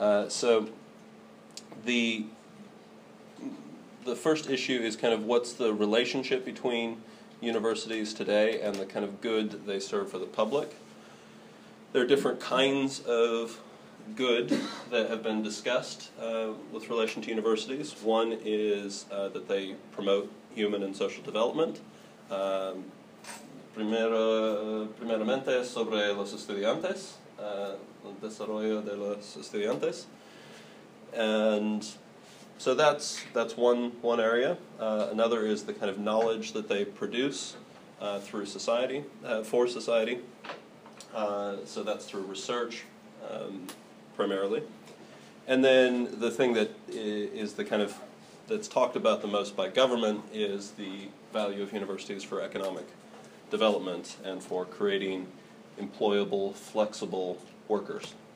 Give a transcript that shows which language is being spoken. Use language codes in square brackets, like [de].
[en] So the first issue is kind of what's the relationship between universities today and the kind of good they serve for the public. There are different kinds of good that have been discussed with relation to universities. One is that they promote human and social development. [es] Primeramente sobre los estudiantes, el desarrollo de los estudiantes. [en] And so that's one area. Another is the kind of knowledge that they produce through society, for society. So that's through research, primarily. And then the thing that is the kind of that's talked about the most by government is the value of universities for economic development and for creating employable, flexible workers.